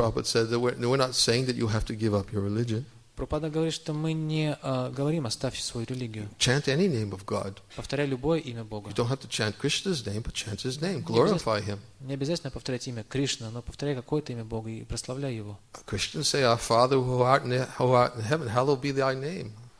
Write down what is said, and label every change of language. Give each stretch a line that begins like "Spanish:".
English: Prabhupada said that we're not saying that you have to give up your religion.
Russian: Прабхупада говорит, что мы не говорим «оставь свою религию».
English: Chant any name of God.
Russian: Повторяй любое имя Бога.
English: You don't have to chant Krishna's name, but chant His name. Glorify Him.
Russian: Не обязательно повторять имя Кришна, но повторяй какое-то имя Бога и прославляй Его.
English: Christians say, Our Father who art in heaven, hallowed be Thy name.